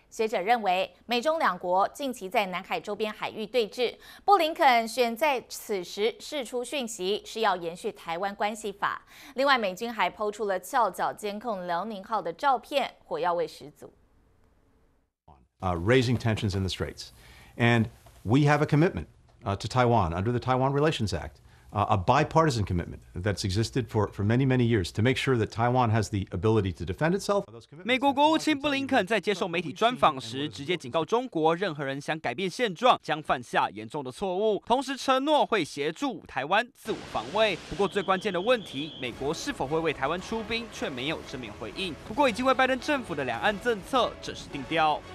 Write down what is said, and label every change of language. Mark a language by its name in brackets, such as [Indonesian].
[Chinese] 学者认为，美中两国近期在南海周边海域对峙，布林肯选在此时释出讯息，是要延续台湾关系法。另外，美军还抛出了翘角监控辽宁号的照片，火药味十足。 [English] Raising tensions in the Straits. And we have a commitment to Taiwan under the Taiwan Relations Act, a bipartisan commitment that's existed for many, many years to make sure that Taiwan has the ability to defend itself. [Chinese] 美国国务卿布林肯在接受媒体专访时直接警告中国，任何人想改变现状将犯下严重的错误，同时承诺会协助台湾自我防卫。不过最关键的问题，美国是否会为台湾出兵却没有正面回应。不过已经为拜登政府的两岸政策正式定调。